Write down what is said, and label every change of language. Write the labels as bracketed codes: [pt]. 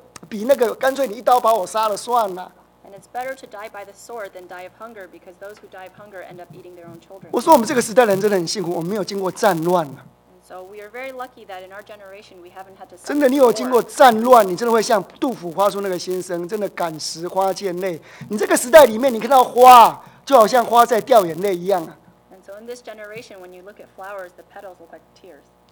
[zh] 那个哦，被刀杀死还快活一点呐、啊。那个饿死的还难过嘞，因为没东西吃哦，吃啊，最后还要看，吃自己的孩子。这个比那个干脆你一刀把我杀了算了。 [en] And it's better to die by the sword than die of hunger, because those who die of hunger end up eating their own children. [zh] 我说我们这个时代人真的很幸福，我们没有经过战乱呢。So [en] we are very lucky that in our generation we haven't had to. [zh] 真的，你有经过战乱，你真的会像杜甫发出那个心声，真的感时花溅泪。你这个时代里面，你看到花。就好像花在掉眼泪一样啊。And [en] so in this generation, when you look at flowers, the petals look like tears.